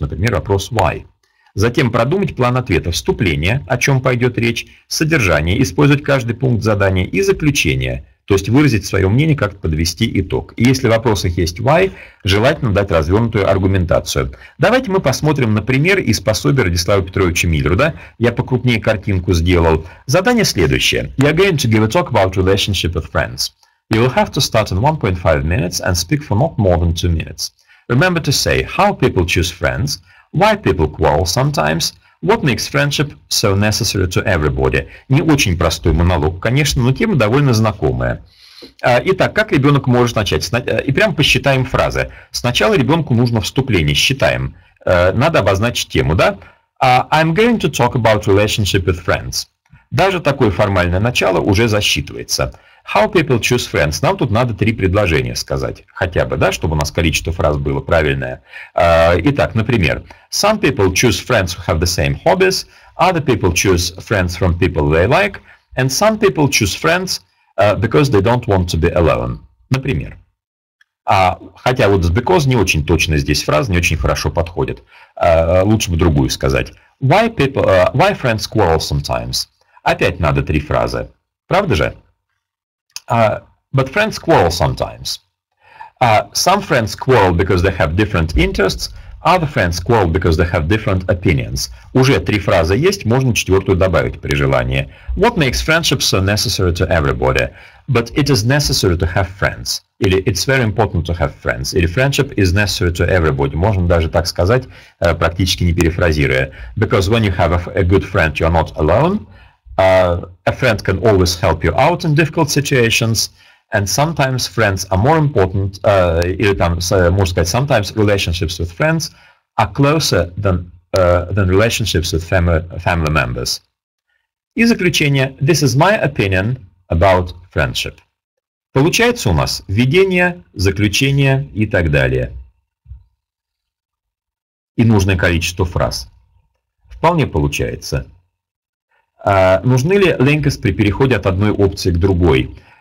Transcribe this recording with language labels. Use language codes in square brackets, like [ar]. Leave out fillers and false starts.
[ru] Например, вопрос «Why?». Затем продумать план ответа, вступление, о чем пойдет речь, содержание, использовать каждый пункт задания и заключение. То есть выразить свое мнение, как-то подвести итог. И если в вопросах есть why, желательно дать развернутую аргументацию. Давайте мы посмотрим, например, из пособия Радислава Петровича Миллера. Я покрупнее картинку сделал. Задание следующее. [en] You're going to give a talk about relationship with friends. You will have to start in 1.5 minutes and speak for not more than 2 minutes. Remember to say how people choose friends, why people quarrel sometimes, What makes friendship so necessary to everybody? [ru] Не очень простой монолог, конечно, но тема довольно знакомая. Итак, как ребенок может начать? И прямо посчитаем фразы. Сначала ребенку нужно вступление, считаем. Надо обозначить тему, да? [en] I'm going to talk about relationship with friends. [ru] Даже такое формальное начало уже засчитывается. [en] How people choose friends. [ru] Нам тут надо три предложения сказать. Хотя бы, да, чтобы у нас количество фраз было правильное. Итак, например. [en] Some people choose friends who have the same hobbies. Other people choose friends from people they like. And some people choose friends because they don't want to be alone. [ru] Например. Хотя вот с because не очень точно здесь фраза, не очень хорошо подходит. Лучше бы другую сказать. [en] Why friends quarrel sometimes? [ru] Опять надо три фразы. Правда же? [en] But friends quarrel sometimes. Some friends quarrel because they have different interests. Other friends quarrel because they have different opinions. [ru] Уже три фразы есть, можно четвертую добавить при желании. [en] What makes friendship so necessary to everybody? But it is necessary to have friends. Или it's very important to have friends. Или friendship is necessary to everybody. [ru] Можно даже так сказать, практически не перефразируя. [en] Because when you have a good friend, you're not alone. A friend can always help you out in difficult situations. And sometimes friends are more important, [ru] или там, можно сказать, [en] sometimes relationships with friends are closer than relationships with family members. [ru] И заключение, [en] this is my opinion about friendship. [ru] Получается у нас введение, заключение и так далее. И нужное количество фраз. Вполне получается. Нужны ли linkers при переходе от одной опции к другой?